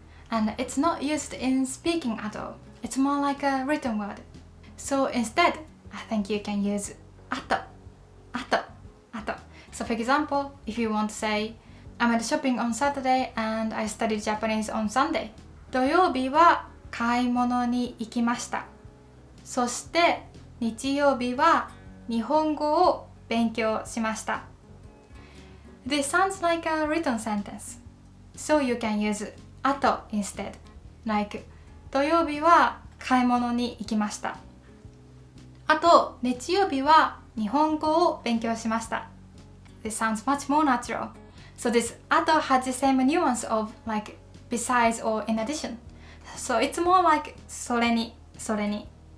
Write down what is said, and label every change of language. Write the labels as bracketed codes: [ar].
[en] And it's not used in speaking at all. It's more like a written word. So instead, I think you can use あと。あと。あと。 So for example, if you want to say I went shopping on Saturday and I studied Japanese on Sunday. [ja] 土曜日は買い物に行きました。そして日曜日は日本語を勉強しました. [en] This sounds like a written sentence. So you can use あと instead. [ja] Like 土曜日は買い物に行きました. あと日曜日は日本語を勉強しました. [en] This sounds much more natural. So this あと has the same nuance of like besides or in addition. So it's more like それに。それに。